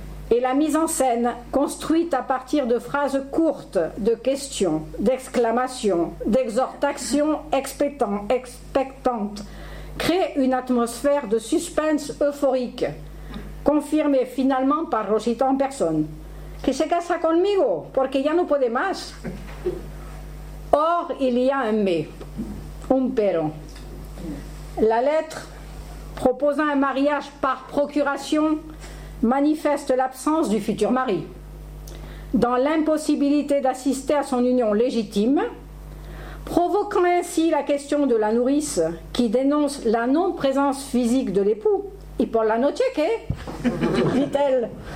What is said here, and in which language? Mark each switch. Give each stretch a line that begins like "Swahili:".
French: Et la mise en scène, construite à partir de phrases courtes, de questions, d'exclamations, d'exhortations expectantes, crée une atmosphère de suspense euphorique, confirmée finalement par Rosita en personne.
Spanish: « Que se casa conmigo, porque ya no puede más. »
French: Or, il y a un mais, un
Spanish: pero.
French: La lettre, proposant un mariage par procuration, manifeste l'absence du futur mari. Dans l'impossibilité d'assister à son union légitime, provoquant ainsi la question de la nourrice qui dénonce la non-présence physique de l'époux, «
Spanish: Y por la noche, ¿qué
French: ?» dit-elle.